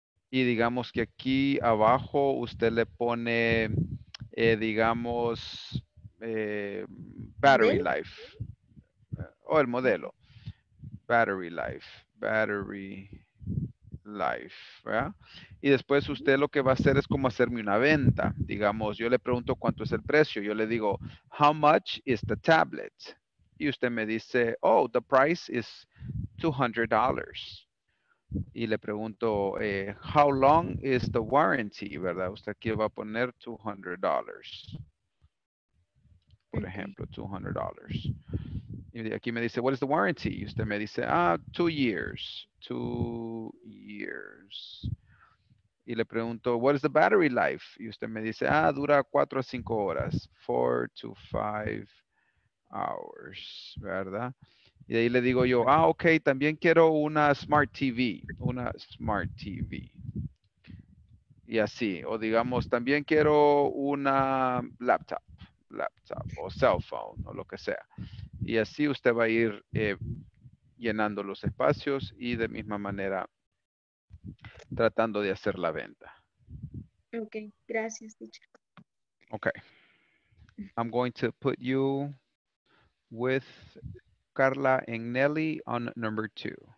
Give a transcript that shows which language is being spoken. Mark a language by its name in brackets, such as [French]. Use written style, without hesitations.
[Spanish] Y digamos que aquí abajo usted le pone, digamos, battery life. O el modelo. [English] Battery life, battery life. ¿Verdad? [Spanish] Y después usted lo que va a hacer es como hacerme una venta. Digamos, yo le pregunto cuánto es el precio. Yo le digo, [English] how much is the tablet? [Spanish] Y usted me dice, [English] oh, the price is $200. [Spanish] Y le pregunto, [English] how long is the warranty, [Spanish] ¿verdad? Usted aquí va a poner $200. Por ejemplo, $200. Y aquí me dice, [English] what is the warranty? [Spanish] Y usted me dice, [English] 2 years. 2 years. [Spanish] Y le pregunto, [English] what is the battery life? [Spanish] Y usted me dice, dura 4 a 5 horas. [English] 4 to 5 hours, [Spanish] ¿verdad? Y de ahí le digo yo, ok, también quiero una Smart TV. Una Smart TV. Y así. O digamos, también quiero una laptop. Laptop o cell phone o lo que sea. Y así usted va a ir llenando los espacios y de misma manera tratando de hacer la venta. Ok, gracias, teacher. [English] Ok. I'm going to put you with Carla and Nelly on number 2.